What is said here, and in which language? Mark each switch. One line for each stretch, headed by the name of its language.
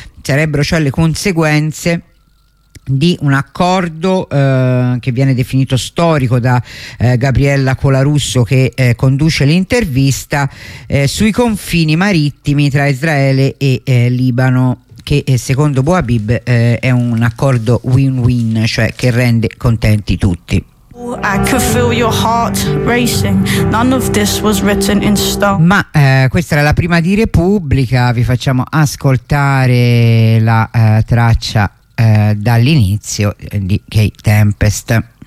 Italian: Sarebbero cioè le conseguenze di un accordo che viene definito storico da Gabriella Colarusso, che conduce l'intervista, sui confini marittimi tra Israele e Libano, che secondo Bu Habib è un accordo win-win, cioè che rende contenti tutti.
English: I could feel your heart racing. None of this was written in stone.
Italian: Ma questa era la prima di Repubblica, vi facciamo ascoltare la traccia dall'inizio di Kate Tempest.